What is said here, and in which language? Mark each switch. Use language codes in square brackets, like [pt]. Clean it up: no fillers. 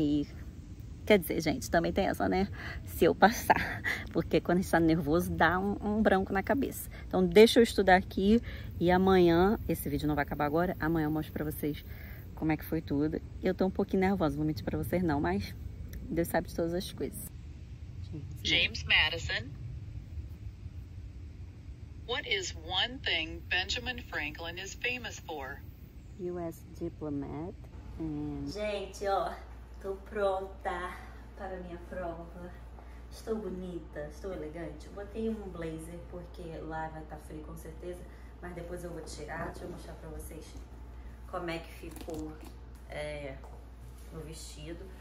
[pt] E quer dizer, gente, também tem essa, né? Se eu passar, porque quando a gente tá nervoso, dá um branco na cabeça. Então deixa eu estudar aqui e amanhã, esse vídeo não vai acabar agora, amanhã eu mostro para vocês como é que foi tudo. Eu tô um pouquinho nervosa, vou mentir pra vocês não, mas Deus sabe de todas as coisas. [en] James Madison. What is one thing Benjamin Franklin is famous for? US diplomat. [pt] Gente, ó, tô pronta para minha prova. Estou bonita, estou elegante. Botei um blazer porque lá vai estar frio com certeza, mas depois eu vou tirar, deixa eu mostrar pra vocês como é que ficou o vestido.